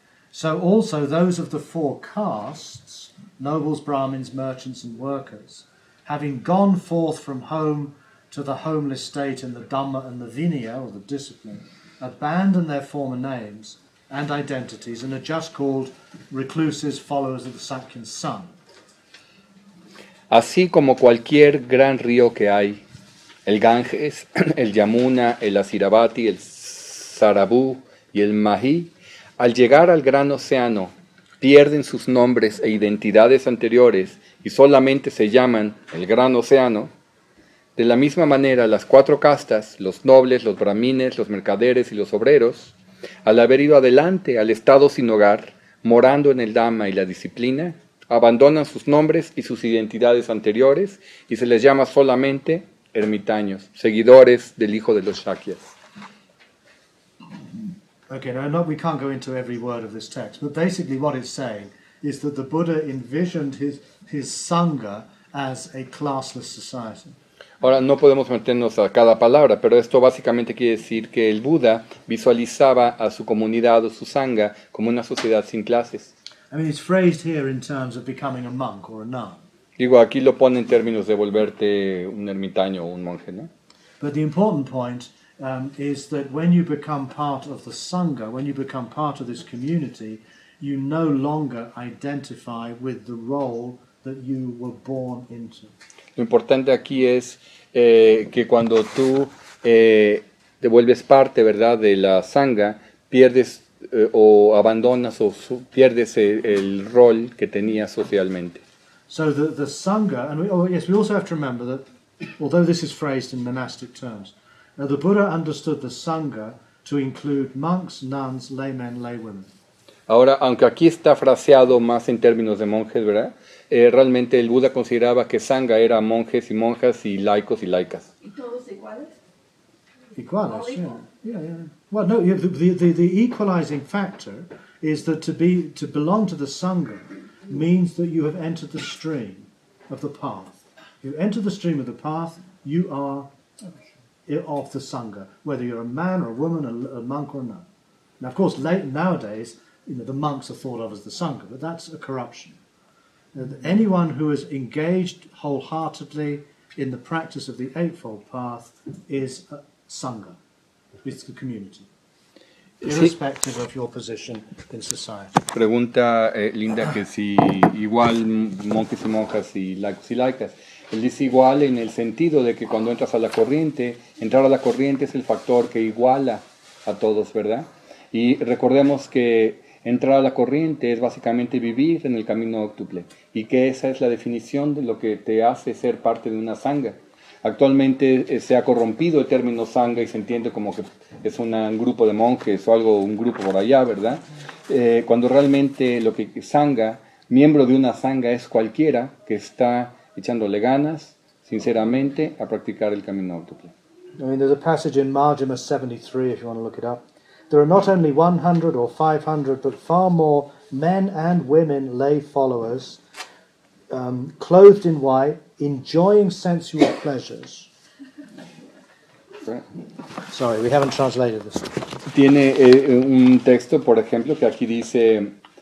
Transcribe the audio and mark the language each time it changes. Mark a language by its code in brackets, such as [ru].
[en] So also those of the four castes, nobles, Brahmins, merchants and workers, having gone forth from home to the homeless state in the Dhamma and the Vinaya, or the discipline, abandon their former names and identities and are just called recluses, followers of the Sakyan sun. [es] Así como cualquier gran río que hay, el Ganges, el Yamuna, el Asiravati, el Sarabú y el Mahi, al llegar al gran océano, pierden sus nombres e identidades anteriores y solamente se llaman el gran océano, de la misma manera las cuatro castas, los nobles, los brahmines, los mercaderes y los obreros, al haber ido adelante al estado sin hogar, morando en el Dhamma y la disciplina, abandonan sus nombres y sus identidades anteriores y se les llama solamente ermitaños, seguidores del hijo de los Shakyas. [en] Okay, now we can't go into every word of this text, but basically what it's saying is that the Buddha envisioned his sangha as a classless society. [es] Ahora no podemos meternos a cada palabra, pero esto básicamente quiere decir que el Buda visualizaba a su comunidad o su sangha como una sociedad sin clases. [en] I mean, it's phrased here in terms of becoming a monk or a nun. [es] Digo, aquí lo pone en términos de volverte un ermitaño o un monje, ¿no? [en] But the important point is that when you become part of the sangha, when you become part of this community, you no longer identify with the role that you were born into. [es] Lo importante aquí es que cuando tú te vuelves parte, ¿verdad?, de la sangha, pierdes o abandonas o pierdes el rol que tenías socialmente. [en] So the sangha, and we also have to remember that, although this is phrased in monastic terms, the Buddha understood the sangha to include monks, nuns, laymen, laywomen. [es] Ahora, aunque aquí está fraseado más en términos de monjes, ¿verdad?, realmente el Buda consideraba que sangha era monjes y monjas y laicos y laicas. ¿Y todos iguales? Iguales, [en] yeah. Yeah, yeah. Well, no, the equalizing factor is that to belong to the sangha means that you have entered the stream of the path. You enter the stream of the path, you are of the sangha, whether you're a man or a woman, a monk or a nun. Now, of course, nowadays, you know, the monks are thought of as the sangha, but that's a corruption. Anyone who is engaged wholeheartedly in the practice of the Eightfold Path is a sangha. It's the community. Irrespective of your position in society. [es] Pregunta Linda que si igual monjes y monjas y laicos y laicas. Él dice igual en el sentido de que cuando entras a la corriente, entrar a la corriente es el factor que iguala a todos, ¿verdad? Y recordemos que entrar a la corriente es básicamente vivir en el camino óctuple y que esa es la definición de lo que te hace ser parte de una sangha. Actualmente se ha corrompido el término sangha y se entiende como que es un grupo de monjes o algo, un grupo por allá, ¿verdad? Cuando realmente lo que sangha, miembro de una sangha es cualquiera que está echándole ganas, sinceramente, a practicar el camino óctuple. [en] I mean, there's a passage in Marjima 73, if you want to look it up. There are not only 100 or 500, but far more men and women lay followers, clothed in white, enjoying sensual pleasures. Sorry, we haven't translated this. [es] Tiene un texto, por ejemplo, que aquí dice...